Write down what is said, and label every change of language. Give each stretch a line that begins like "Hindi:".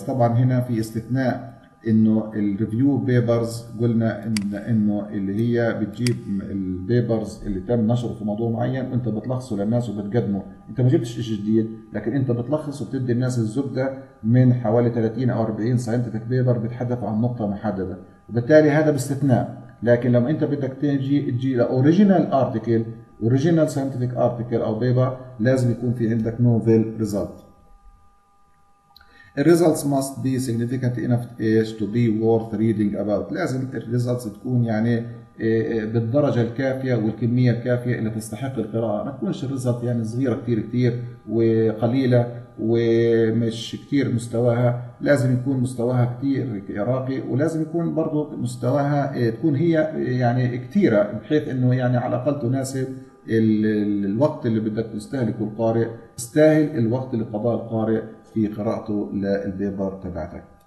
Arabic: طبعا هنا في استثناء انه الريفيو بيبرز قلنا انه اللي هي بتجيب البيبرز اللي تم نشره في موضوع معين وانت بتلخصه للناس وبتقدمه انت ما جبتش شيء جديد لكن انت بتلخص وبتدي الناس الزبده من حوالي 30 او 40 ساينتفك بيبر بتحدثوا عن نقطه محدده وبالتالي هذا باستثناء. لكن لما انت بدك تجي لاوريجينال ارتكل اوريجينال ساينتفك ارتكل او بيبر لازم يكون في عندك نوفل ريزلت.
English: The results must be significant enough to be worth reading about.
Arabic: لازم الريزلتس تكون يعني بالدرجة الكافية والكمية الكافية اللي تستحق القراءة. ما تكونش الريزلت يعني صغيرة كتير وقليلة ومش كتير مستواها. لازم يكون مستواها كتير راقي ولازم يكون برضو مستواها تكون هي يعني كتيرة بحيث انه يعني على الأقل تناسب الوقت اللي بدك تستهلكه القارئ تستاهل الوقت اللي قضاه القارئ في قراءته للبيبر تبعتك.